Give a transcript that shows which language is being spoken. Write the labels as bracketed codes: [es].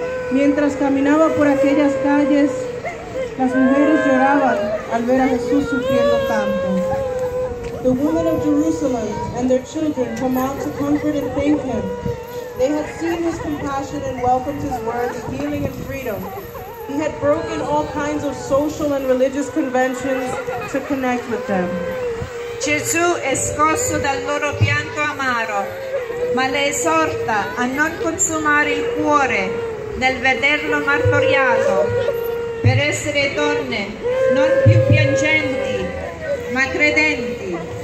[es] Mientras caminaba por aquellas calles, las mujeres lloraban al ver a Jesús sufriendo tanto. [en] The women of Jerusalem and their children come out to comfort and thank him. They had seen his compassion and welcomed his words, healing and freedom. He had broken all kinds of social and religious conventions to connect with them. [it] Gesù è scosso dal loro pianto amaro, ma le esorta a non consumare il cuore nel vederlo martoriato, per essere donne non più piangenti, ma credenti.